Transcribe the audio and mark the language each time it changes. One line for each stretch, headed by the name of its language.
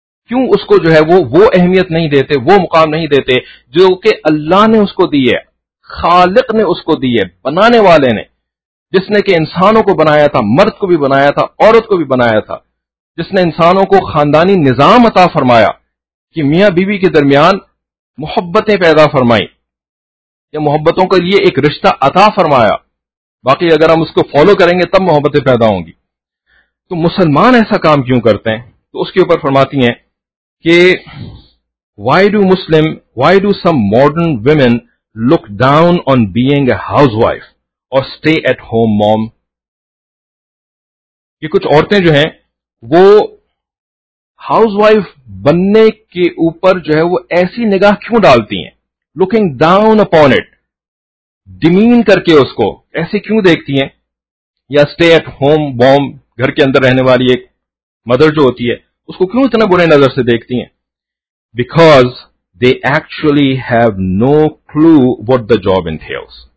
Urdu: کیوں اس کو جو ہے وہ اہمیت نہیں دیتے، وہ مقام نہیں دیتے جو کہ اللہ نے اس کو دی ہے، خالق نے اس کو دی ہے، بنانے والے نے، جس نے کہ انسانوں کو بنایا تھا، مرد کو بھی بنایا تھا، عورت کو بھی بنایا تھا، جس نے انسانوں کو خاندانی نظام عطا فرمایا کہ میاں بیوی کے درمیان محبتیں پیدا فرمائیں، یا محبتوں کے لیے ایک رشتہ عطا فرمایا، باقی اگر ہم اس کو فالو کریں گے تب محبتیں پیدا ہوں گی. تو مسلمان ایسا کام کیوں کرتے ہیں؟ تو اس کے اوپر فرماتی ہیں کہ
English: why do some modern women look down on being a housewife or stay at home mom.
Urdu: کہ کچھ عورتیں جو ہیں وہ ہاؤس وائف بننے کے اوپر جو ہے وہ ایسی نگاہ کیوں ڈالتی ہیں،
English: looking down upon it,
Urdu: demean کر کے اس کو ایسے کیوں دیکھتی ہیں، یا
English: stay at home mom
Urdu: گھر کے اندر رہنے والی ایک مدر جو ہوتی ہے اس کو کیوں اتنا برے نظر سے دیکھتی ہیں؟
English: Because they actually have no clue what the job entails.